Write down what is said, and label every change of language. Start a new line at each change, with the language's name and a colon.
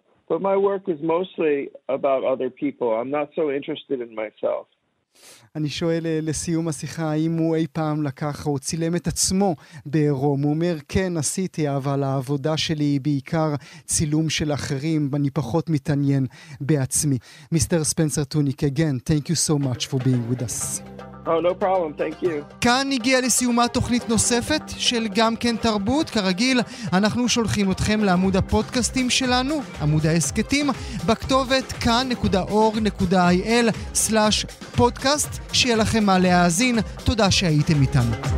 English: But my work is mostly about other people. I'm not so interested in myself.
Hebrew: אני שואל לסיום השיחה, האם הוא אי פעם לקח או צילם את עצמו בעירום? הוא אומר, כן, עשיתי, אבל העבודה שלי היא בעיקר צילום של אחרים, אני פחות מתעניין בעצמי.
English: מיסטר ספנסר טוניק, again, thank you so much for being with us. Oh, no problem. Thank you.
Hebrew: כאן הגיעה לסיומה תוכנית נוספת של גם כן תרבות. כרגיל, אנחנו שולחים אתכם לעמוד הפודקאסטים שלנו, עמוד ההסקטים, בכתובת kan.org.il/podcast, שיהיה לכם מה להאזין. תודה שהייתם איתנו.